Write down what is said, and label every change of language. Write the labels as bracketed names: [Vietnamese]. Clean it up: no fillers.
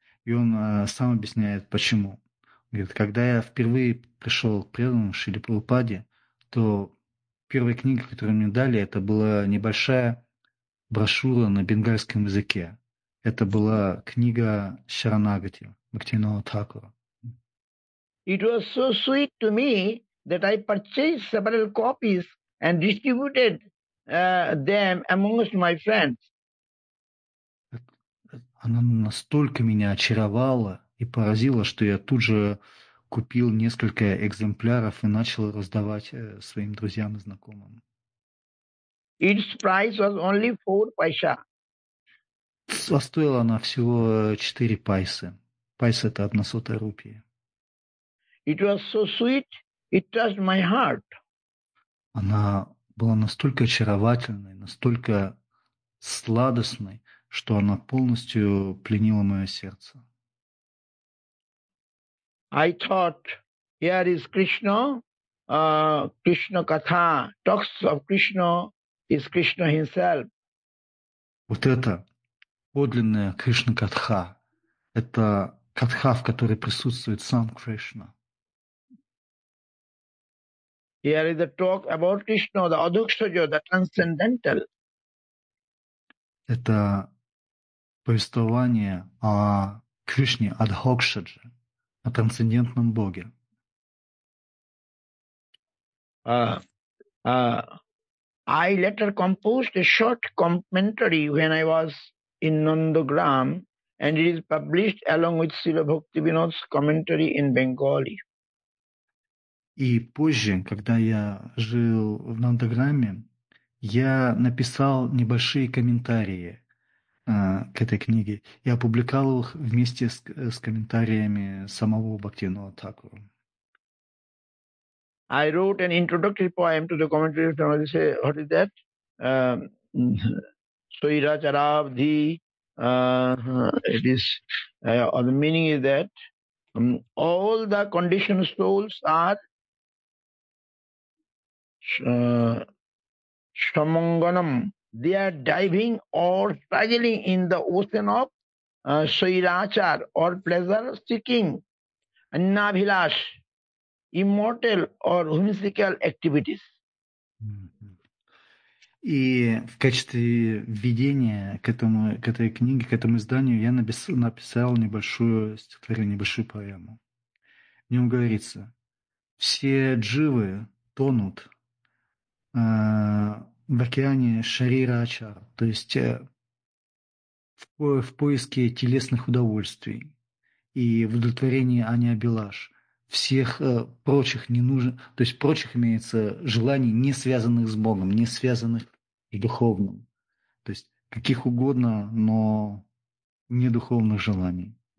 [Russian] И он сам объясняет, почему. Он говорит, когда я впервые пришел к преданным Шриле Прабхупаде, то первая книга, которую мне дали, это была небольшая брошюра на бенгальском языке. Это была книга Шаранагати Бхактивинода Тхакура. [English] It was so sweet to me that I purchased several copies and distributed them amongst my friends. [Russian] Она настолько меня очаровала и поразила, что я тут же купил несколько экземпляров и начал раздавать своим друзьям и знакомым. [English] Its price was only 4 пайса. [Russian] Стоила она всего 4 пайсы. Пайсы — это 1 сотая рупии. [English] It was so sweet, it touched my heart. [Russian] Она была настолько очаровательной, настолько сладостной, что она полностью пленила мое сердце. [English] I thought, here is Krishna, Krishna Katha, talks of Krishna, is Krishna himself. [Russian] Вот это подлинная Кришна Катха. Это Катха, в которой присутствует сам Кришна. [English] Here is the talk about Krishna, the Adukshaja, the transcendental. [Russian] Это повествование о Кришне Адхокшадже, о трансцендентном Боге. [English] I later composed a short commentary when I was in Nandagram, and it is published along with Srila Bhaktivinoda's commentary in Bengali. [Russian] И позже, когда я жил в Нандаграме, я написал небольшие комментарии к этой книге. Я опубликовал их вместе с комментариями самого Бхактивинода Тхакура. [English] I wrote an introductory poem to the commentary of Srila Bhaktivinoda Thakura. What is that? [Sanskrit] Soira Charabdhi. [English] The meaning is that all the conditioned souls are Shamanganam. They are diving or struggling in the ocean of Sairachar or pleasure seeking, Annabhilash, immortal or whimsical activities. [Russian] И в качестве введения к этой книге, к этому изданию, я написал небольшую стихотворение, небольшую поэму. В нем говорится: все дживы тонут в океане Шарира Ачар, то есть в поиске телесных удовольствий и в удовлетворении Аня Билаш, всех прочих ненужных, то есть прочих имеется желаний, не связанных с Богом, не связанных с духовным, то есть каких угодно, но не духовных желаний.